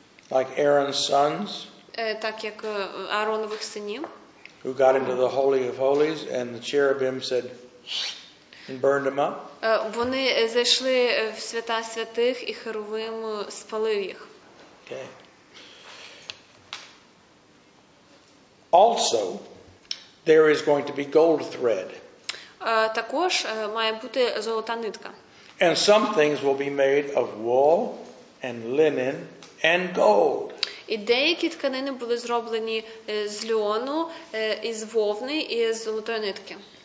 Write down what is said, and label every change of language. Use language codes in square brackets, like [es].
[en] Like Aaron's sons. [uk] Так як Ааронових синів. [en] Who got into the Holy of Holies and the cherubim said and burned them up. [uk] Вони зайшли в свята святих і херовим спалив їх. [en] Okay. Also, there is going to be gold thread. [uk] Також має бути золота нитка. [en] And some things will be made of wool and linen and gold. [uk] І деякі тканини були зроблені з льону, із вовни і з золотої нитки.